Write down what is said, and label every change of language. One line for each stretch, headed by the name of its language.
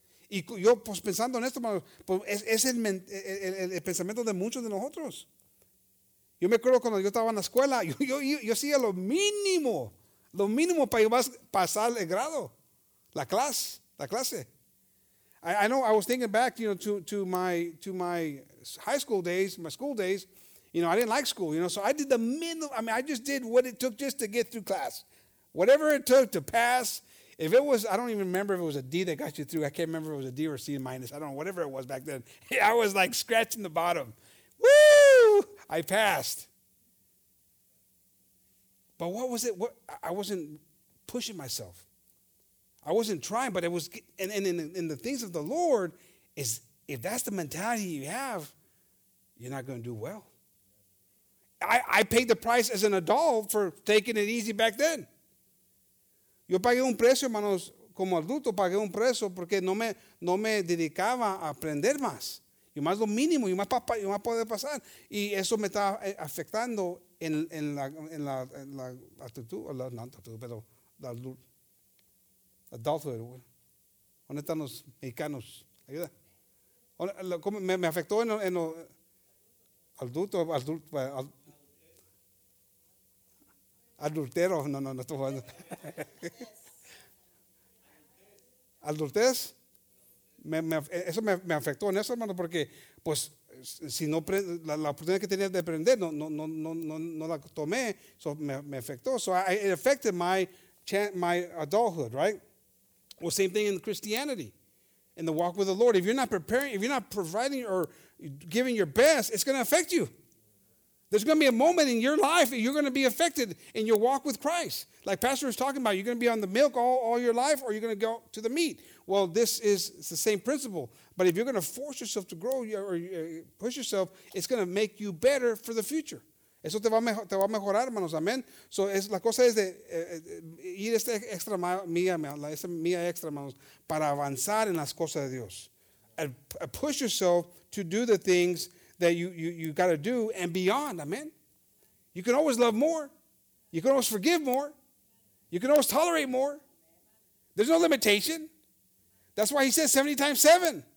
Spanish: Y yo pues pensando en esto, pues, es el pensamiento de muchos de nosotros. Yo me acuerdo cuando yo estaba en la escuela, yo hacía lo mínimo. Lo mínimo para pasar el grado, la clase.
English: I know I was thinking back, you know, to my high school days, you know, I didn't like school, you know, so I did the minimum. I mean, I just did what it took just to get through class, whatever it took to pass. If it was, I don't even remember if it was a D that got you through. I can't remember if it was a D or C minus. I don't know, whatever it was back then. I was like scratching the bottom. Woo! I passed. But what was it? What I wasn't pushing myself. I wasn't trying, but it was, and in the things of the Lord, is if that's the mentality you have, you're not going to do well. I paid the price as an adult for taking it easy back then.
Spanish: Yo pagué un precio, hermanos, como adulto, pagué un precio porque no me dedicaba a aprender más. Yo más lo mínimo, yo más para poder pasar. Y eso me estaba afectando en la adulthood. ¿Dónde están los mexicanos? Ayuda. ¿Cómo me afectó en lo, adulto, adultero, no, no, no estoy jugando. Adultez, eso me afectó en eso, hermano, porque, pues, si no la oportunidad que tenía de aprender no la tomé, so me afectó.
English: So it affected my adulthood, right? Well, same thing in Christianity, in the walk with the Lord. If you're not preparing, if you're not providing or giving your best, it's going to affect you. There's going to be a moment in your life that you're going to be affected in your walk with Christ. Like Pastor was talking about, you're going to be on the milk all your life, or you're going to go to the meat. Well, this is the same principle. But if you're going to force yourself to grow or push yourself, it's going to make you better for the future.
Spanish: Eso te va a mejorar, hermanos. Amén. So es, la cosa es de ir esta extra mía extra, hermanos, para avanzar en las cosas de Dios.
English: And push yourself to do the things that you got to do and beyond. Amen. You can always love more. You can always forgive more. You can always tolerate more. There's no limitation. That's why he says 70 times 7.